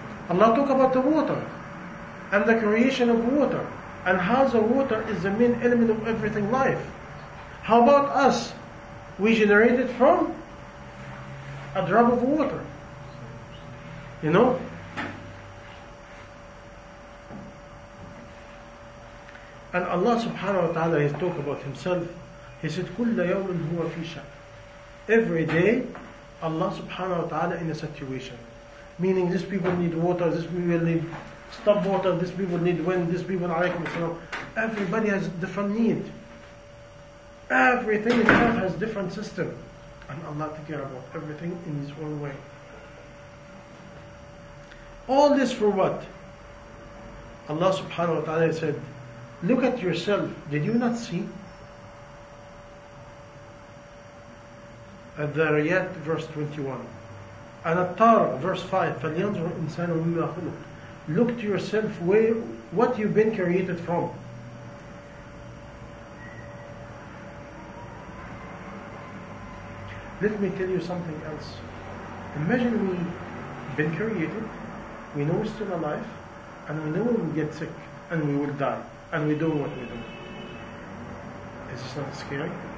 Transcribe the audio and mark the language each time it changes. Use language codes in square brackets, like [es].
[en] Allah talk about the water and the creation of water and how the water is the main element of everything life. How about us? We generated from a drop of water. You know? And Allah subhanahu wa ta'ala, He talk about Himself. He said, [ar] كُلَّ يَوْمٍ هُوَ فِي شَأْنٍ. [en] Every day, Allah subhanahu wa ta'ala in a situation. Meaning, these people need water, these people need stop water, these people need wind, these people, alaykum as-salam. Everybody has different need. Everything in earth has different system. And Allah take care about everything in His own way. All this for what? Allah subhanahu wa ta'ala said, look at yourself, did you not see? [ar] الذاريات [en] verse 21 [ar] الطارق [en] verse 5 [ar] فلينظر الإنسان مما خلق. [en] Look to yourself where, what you've been created from. Let me tell you something else. Imagine we've been created, we know we're still alive, and we know we will get sick and we will die, and we do what we do. Is this not scary?